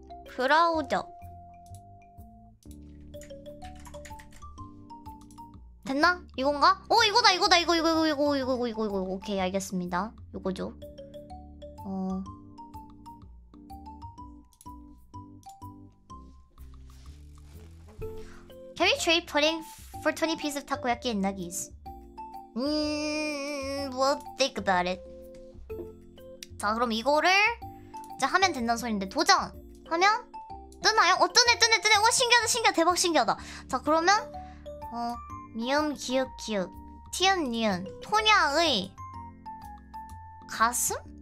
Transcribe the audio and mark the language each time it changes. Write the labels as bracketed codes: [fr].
[ko] 브라우저. 됐나? 이건가? 어, 이거다, 이거다, 이거, 이거, 이거, 이거, 이거, 이거, 이거, 이거, 이거, 오케이, 알겠습니다. 이거죠. [en] 어. Can we trade pudding for 20 pieces of takoyaki and nuggies? We'll think about it. [ko] 자, 그럼 이거를 이제 하면 된다는 소리인데, 도전! 하면? 뜨나요? 어, 뜨네, 뜨네, 뜨네. 와, 신기하다, 신기하다. 대박, 신기하다. 자, 그러면, 어. 니은 기역 기역 티은 니은 토냥의 가슴?